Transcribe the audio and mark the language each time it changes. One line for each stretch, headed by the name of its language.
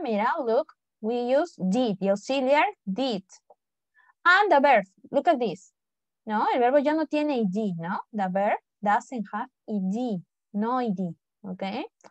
Spanish: Mira,
English: look, we use did, the auxiliary did. And the verb, look at this.
Spanish: No, el verbo ya no tiene ed, ¿no?
English: The verb doesn't have ed, no ed, ¿ok?